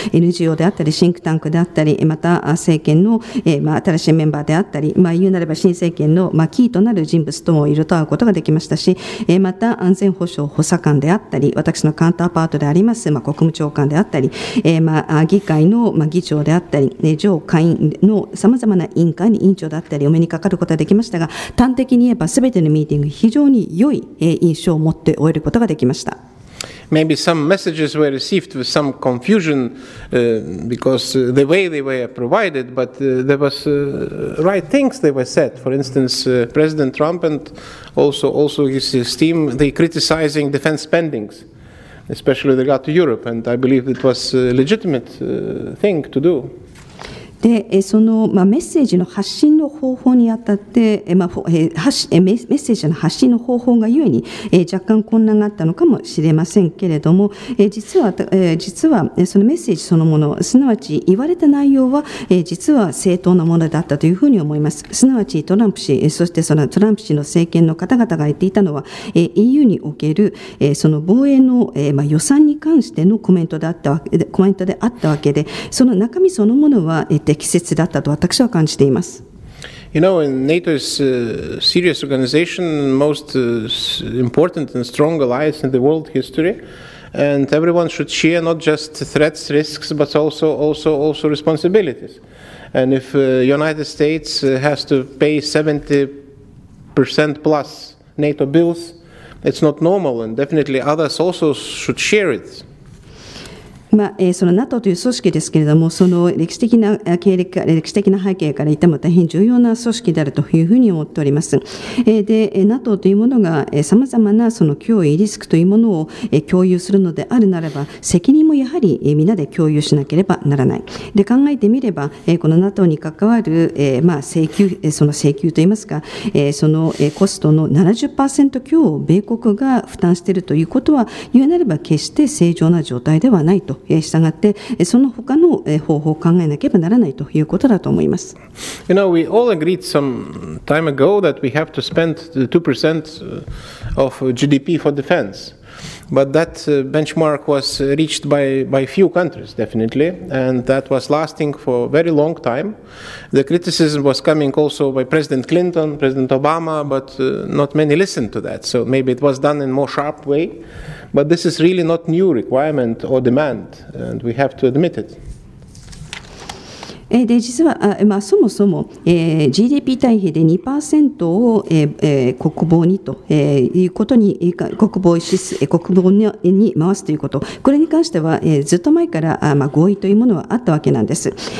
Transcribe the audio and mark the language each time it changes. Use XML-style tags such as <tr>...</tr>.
<ja>NGO であったりシンクタンクであったりまた政権の新しいメンバーであったり、まあ、言うなれば新政権のキーとなる人物ともいろいろと会うことができましたし、また安全保障補佐官であったり私のカウンターパートであります国務長官であったり議会の議長であったり上下院のさまざまな委員会の委員長だったりお目にかかることができましたが、端的に言えばすべてのミーティング非常に良い印象を持って終えることができました。</ja> <en>Maybe some messages were received with some confusion because the way they were provided, but there was right things they were said. For instance, President Trump and also his team, they criticizing defense spendings. Especially with regard to Europe, and I believe it was a legitimate thing to do.</en> <ja>でそのメッセージの発信の方法にあたって、まあ、メッセージの発信の方法がゆえに若干困難があったのかもしれませんけれども、実はそのメッセージそのものすなわち言われた内容は実は正当なものだったというふうに思います。すなわちトランプ氏そしてそのトランプ氏の政権の方々が言っていたのは EU におけるその防衛の予算に関してのコメントであったわけで、その中身そのものは適切だったと私は感じています。</ja> <en>You know, NATO is a serious organization, most important and strong allies in the world history, and everyone should share not just threats, risks, but also responsibilities. And if United States has to pay 70% plus NATO bills, it's not normal, and definitely others also should share it.</en> <ja>まあ、その NATO という組織ですけれども、その歴史的な経歴歴史的な背景から言っても大変重要な組織であるというふうに思っております。で NATO というものがさまざまなその脅威リスクというものを共有するのであるならば、責任もやはりみんなで共有しなければならない。で考えてみればこの NATO に関わる、まあ、請求といいますか、そのコストの 70% 強を米国が負担しているということは言うなれば決して正常な状態ではないと、したがってその他の方法を考えなければならないということだと思います。</ja> <en>You know, we all agreed some time ago that we have to spend 2% of GDP for defense, but that benchmark was reached by few countries definitely, and that was lasting for very long time. The criticism was coming also by President Clinton, President Obama, but not many listened to that, so maybe it was done in a more sharp way. But this is really not new requirement or demand, and we have to admit it.</en> <ja>で実は、まあ、そもそも、GDP 対比で 2% を、国防にということに国防に回すということ、これに関しては、ずっと前から、まあ、合意というものはあったわけなんです。</ja>